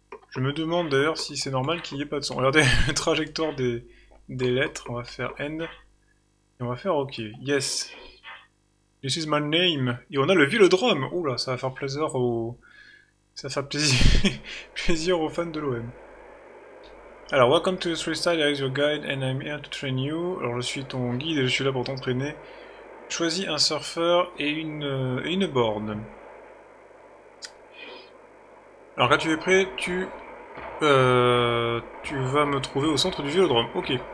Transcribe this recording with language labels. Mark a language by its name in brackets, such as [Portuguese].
[French] Je me demande d'ailleurs si c'est normal qu'il n'y ait pas de son. Regardez la trajectoire des lettres, on va faire end. Et on va faire OK. [English] Yes. This is my name. [French] Et on a le Vélodrome. Ouh là, ça va faire plaisir au. Ça fait plaisir aux fans de l'OM. [English] Alors, welcome to Freestyle, here is your guide and I'm here to train you. [French] Alors, je suis ton guide et je suis là pour t'entraîner. Choisis un surfeur et une borne. Alors, quand tu es prêt, tu vas me trouver au centre du vélodrome. Ok.